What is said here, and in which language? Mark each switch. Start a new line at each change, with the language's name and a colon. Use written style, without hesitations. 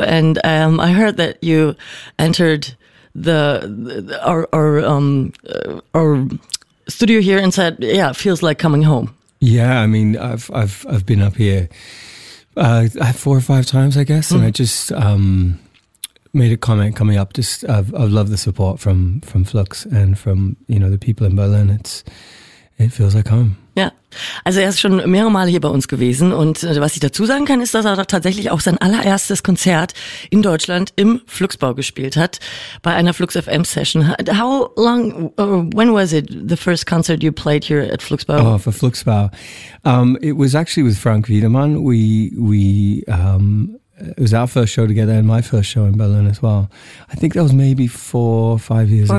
English: And I heard that you entered our studio here and said, yeah, it feels like coming home. Yeah, I mean, I've been up here 4 or 5 times, I guess, and I just made a comment coming up. Just I've loved the support from Flux and from, you know, the people in Berlin. It feels like home.
German: Ja, also er ist schon mehrere Male hier bei uns gewesen und was ich dazu sagen kann, ist, dass er tatsächlich auch sein allererstes Konzert in Deutschland im Fluxbau gespielt hat, bei einer Flux FM Session.
English: How long, when was it, the first concert you played here at Fluxbau? Oh, for Fluxbau. It was actually with Frank Wiedemann. It was our first show together and my first show in Berlin as well. I think that was maybe 4 or 5 years ago.